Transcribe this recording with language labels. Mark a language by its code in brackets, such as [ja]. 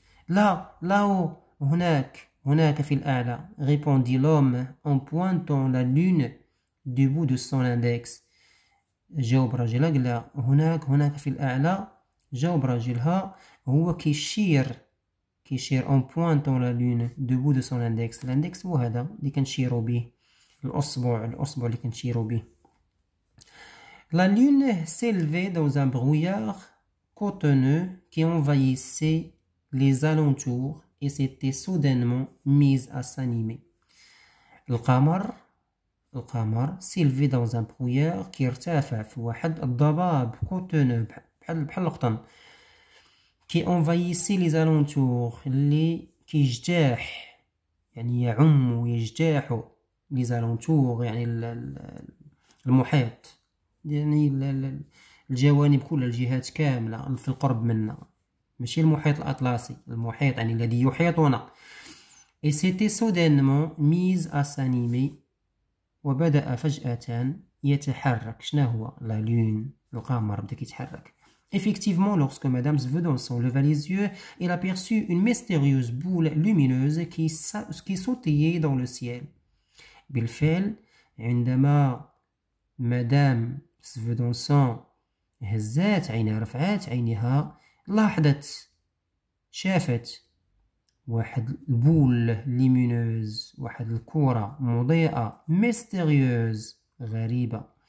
[ar] لا هناك في الأعلى، [fr] ريبوندي لوم أون بوانتون لا لون دو بو دو سون إندكس، [ar] جاوب راجلها قال لها هناك في الأعلى، جاوب راجلها هو كيشير أون بوانتون لا لون دو بو دو سون إندكس، الإندكس هو هذا اللي كنشيرو به، الأصبع اللي كنشيرو به. [fr] La lune s'élevait dans un brouillard cotonneux qui envahissait les alentours et s'était soudainement mise à s'animer. Le camar s'élevait dans un brouillard qui [ar] ارتفع واحد الضباب [fr] cotonneux [ar] بحال القطن [fr] qui envahissait les alentours [ar] اللي كيجتاح يعني يعم ويجتاح [fr] les alentours [ar] يعني المحيط يعني الجوانب كلها الجهات كاملة في القرب منا، ماشي المحيط الأطلسي، المحيط يعني الذي يحيطنا. [fr] et c'était soudainement mis à s'animer، [ar] وبدأ فجأة يتحرك. شنو هو لا لون؟ القمر بدا كيتحرك. [fr] effectivement lorsque madame Svedonson leva les yeux elle aperçut une mystérieuse boule lumineuse qui sautillait dans le ciel. [ar] بالفعل عندما مدام سفيدونسون هزات عينها، رفعات عينها، لاحظت، شافت واحد [fr] البول ليمينوز، [ar] واحد الكرة مضيئة ميستيريوز غريبة